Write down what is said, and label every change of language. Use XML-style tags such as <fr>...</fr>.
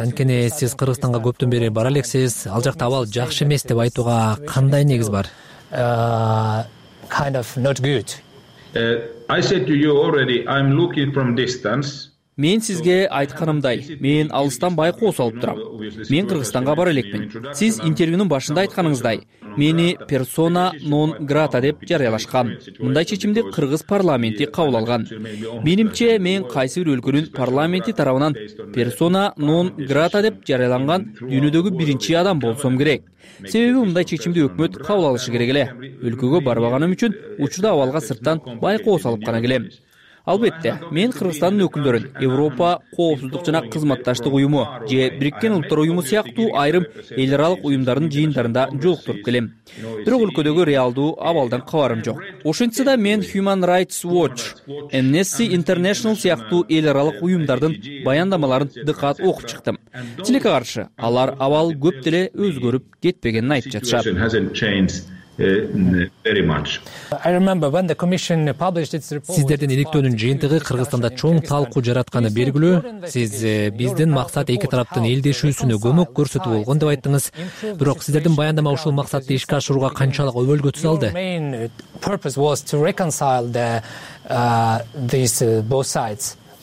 <ky>Анткени сиз Кыргызстанга көптөн бери бара элексиз, ал жакта абал жакшы эмес деп айтууга кандай негиз бар?</ky> <en>I said to you already, I'm looking from distance.</en> <ky>Мен сизге айтканымдай, мен алыстан байкоо салып турам. Мен Кыргызстанга бара элекмин. Сиз интервьюнун башында айтканыңыздай, мени персона нон грата деп жарыялашкан. Мындай чечимди кыргыз парламенти кабыл алган. Менимче, мен кайсы бир өлкөнүн парламенти тарабынан персона нон грата деп жарыяланган дүйнөдөгү биринчи адам болсом керек. Себеби мындай чечимди өкмөт кабыл алышы керек эле. Өлкөгө барбаганым үчүн учурда абалга сырттан байкоо салып гана келем. Албетте, мен Кыргызстандын өкүлдөрүн Европа коопсуздук жана кызматташтык уюму же Бириккен Улуттар Уюму сыяктуу айрым эл аралык уюмдардын жыйындарында жолуктуруп келем. Бирок өлкөдөгү реалдуу абалдан кабарым жок. Ошентсе да мен Human Rights Watch, Amnesty International сыяктуу эл аралык уюмдардын баяндамаларын дыкат окуп чыктым. Тилекке каршы, алар абал көп деле өзгөрүп кетпегенин айтып жатышат.</ky> <en>Very much. I remember when the commission published its report.</en> <ky>Сиздердин электөөнүн жыйынтыгы Кыргызстанда чоң талкуу жаратканы белгилүү. Сиз биздин максат эки тараптын элдешүүсүнө көмөк көрсөтүү болгон деп айттыңыз. Бирок сиздердин баяндама ушул максатты ишке ашырууга канчалык өбөлгөтүн алды?</ky> <en>Main purpose was to reconcile these both sides.</en>